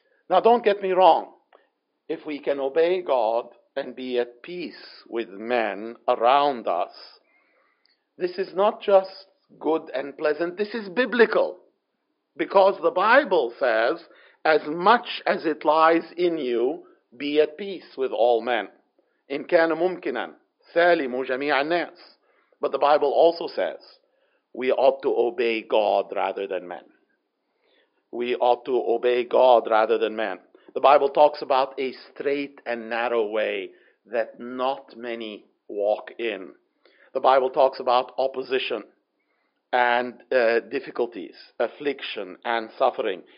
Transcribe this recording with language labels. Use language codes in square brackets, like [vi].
[en] Now, don't get me wrong. If we can obey God and be at peace with men around us, this is not just good and pleasant, this is biblical. Because the Bible says, as much as it lies in you, be at peace with all men. [ar] إن كان ممكنا سالموا جميع الناس. [en] But the Bible also says, we ought to obey God rather than men. We ought to obey God rather than men. The Bible talks about a straight and narrow way that not many walk in. The Bible talks about opposition and difficulties, affliction and suffering.